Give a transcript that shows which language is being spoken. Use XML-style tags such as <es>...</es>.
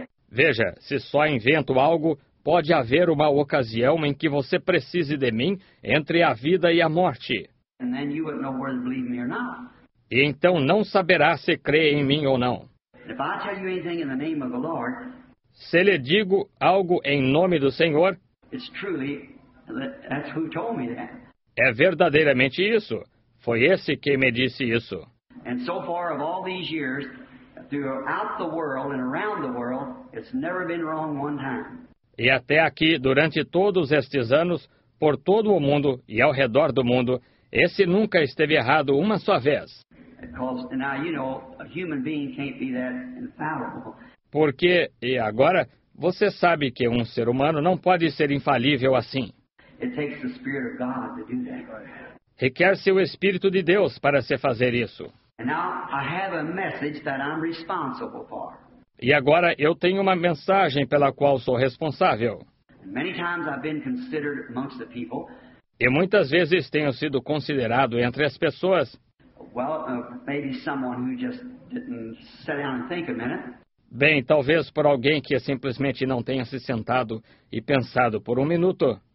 <pt>Veja, se só invento algo, pode haver uma ocasião em que você precise de mim entre a vida e a morte.</pt> <en>And then you wouldn't know whether to believe me or not.</en> <pt>E então não saberá se crê em mim ou não.</pt> <en>If I tell you anything in the name of the Lord,</en> <pt>se lhe digo algo em nome do Senhor, é realmente.</pt> <en>That's who told me that.</en> <pt>É verdadeiramente isso. Foi esse quem me disse isso.</pt> <en>And so far of all these years, throughout the world and around the world, it's never been wrong one time.</en> <pt>E até aqui, durante todos estes anos, por todo o mundo e ao redor do mundo, esse nunca esteve errado uma só vez.</pt> <en>Because now you know a human being can't be that infallible.</en> <pt>Porque, e agora, você sabe que um ser humano não pode ser infalível assim.</pt> <en>It takes the Spirit of God to do that.</en> <pt>Requer-se o Espírito de Deus para se fazer isso.</pt> <en>And now I have a message that I'm responsible for.</en> <pt>E agora eu tenho uma mensagem pela qual sou responsável.</pt> <en>Many times I've been considered amongst the people.</en> <pt>E muitas vezes tenho sido considerado entre as pessoas.</pt> <en>Well, maybe someone who just didn't sit down and think a minute.</en> <pt>Bem, talvez por alguém que simplesmente não tenha se sentado e pensado por um minuto.</pt>